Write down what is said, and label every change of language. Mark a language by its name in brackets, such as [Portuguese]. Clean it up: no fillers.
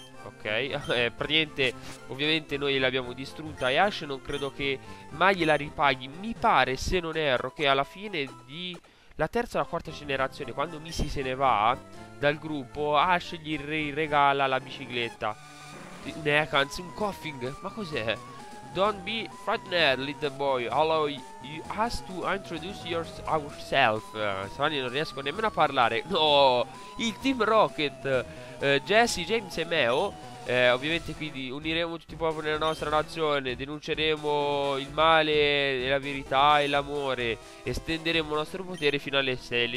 [Italian] Ok, praticamente ovviamente noi l'abbiamo distrutta. E Ash non credo che mai gliela ripaghi. Mi pare, se non erro, che alla fine di la terza o la quarta generazione, quando Misty se ne va dal gruppo, Ash gli regala la bicicletta. Un Ekans, un Koffing, ma cos'è? [English] Don't be frightened, little boy. Allow us to introduce ourselves. [Italian] Sani, non riesco nemmeno a parlare. No, il Team Rocket. Jesse, James e Meo. Ovviamente quindi uniremo tutti i popoli nella nostra nazione, denunceremo il male, la verità e l'amore, estenderemo il nostro potere fino alle stelle.